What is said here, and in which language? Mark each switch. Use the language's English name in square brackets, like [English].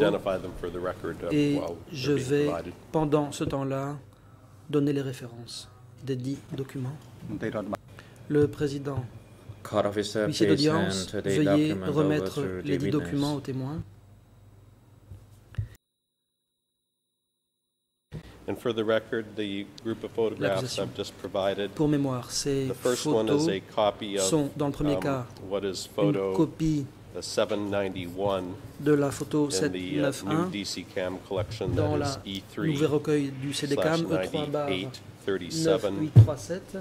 [English] them for the record, [French] et je vais, pendant ce temps-là, donner les références des dix documents. Le président, huissier d'audience, veuillez remettre les dix documents aux témoins. [English] And for the record, the group of photographs I've just provided. [French] Pour mémoire, ces photos sont, dans le premier cas, une copie [English] the 791 [French] de la photo 791 dans la nouvelle recueil du CDCAM E3/98/37